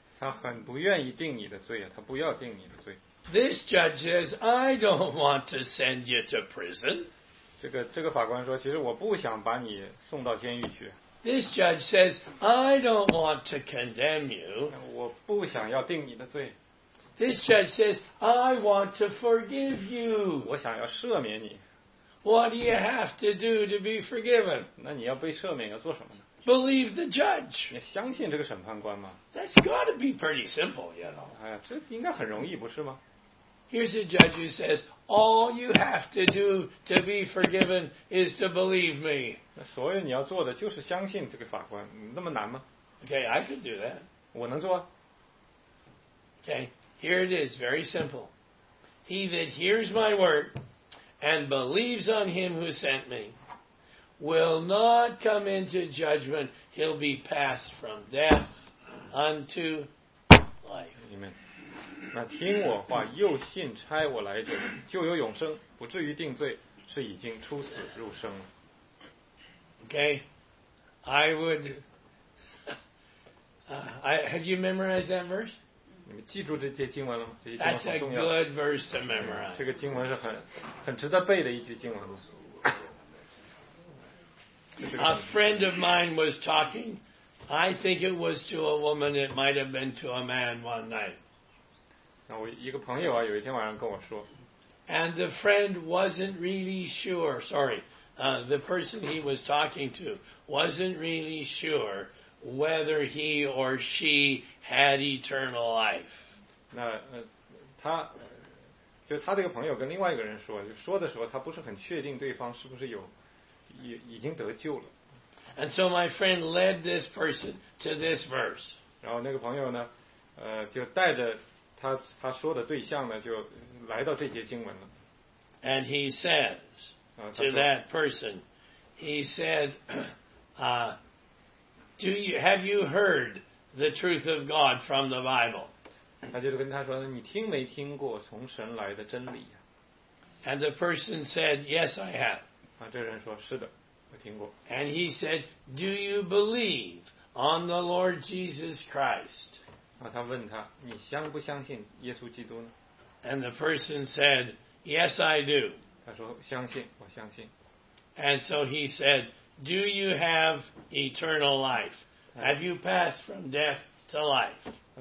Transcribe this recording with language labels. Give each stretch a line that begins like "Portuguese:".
Chinese: 他很不愿意定你的罪啊，他不要定你的罪。
English: This judge says, "I don't want to send you to prison."
Chinese: 这个法官说，其实我不想把你送到监狱去。
English: This judge says, "I don't want to condemn you."
Chinese: 我不想要定你的罪。
English: This judge says, "I want to forgive you."
Chinese: 我想要赦免你。
English: What do you have to do to be forgiven?
Chinese: 那你要被赦免要做什么呢？
English: Believe the judge.
Chinese: 你相信这个审判官吗？
English: That's got to be pretty simple, you know.
Chinese: 哎呀，这应该很容易，不是吗？
English: Here's a judge who says, "All you have to do to be forgiven is to believe me."
Chinese: 所有你要做的就是相信这个法官，那么难吗？
English: Okay, I can do that.
Chinese: 我能做。
English: Okay, here it is, very simple. "He that hears my word and believes on him who sent me will not come into judgment. He'll be passed from death unto life." Amen.
Chinese: 那听我话又信差我来者就有永生，不至于定罪，是已经出死入生了。
English: Okay, I would have you memorized that verse?
Chinese: 你们记住这些经文了吗？这些经文好重要。
English: That's a good verse to memorize.
Chinese: 这个经文是很值得背的一句经文。
English: A friend of mine was talking, I think it was to a woman, it might have been to a man one night.
Chinese: 我一个朋友啊，有一天晚上跟我说
English: ，And the friend wasn't really sure. Sorry, the person he was talking to wasn't really sure whether he or she had eternal life.
Chinese: 那他就他这个朋友跟另外一个人说，就说的时候他不是很确定对方是不是有已经得救了。
English: And so my friend led this person to this verse.
Chinese: 然后那个朋友呢，就带着。他说的对象呢就来到这节经文了。
English: And he says to that person, he said, have you heard the truth of God from the Bible?
Chinese: 他就跟他说，你听没听过从神来的真理啊？
English: And the person said, "Yes, I have."
Chinese: 这人说，是的，我听过。
English: And he said, "Do you believe on the Lord Jesus Christ?"
Chinese: 他问他，你相不相信耶稣基督呢？
English: And the person said, "Yes, I do."
Chinese: 他说相信，我相信。
English: And so he said, "Do you have eternal life? Have you passed from death to life?"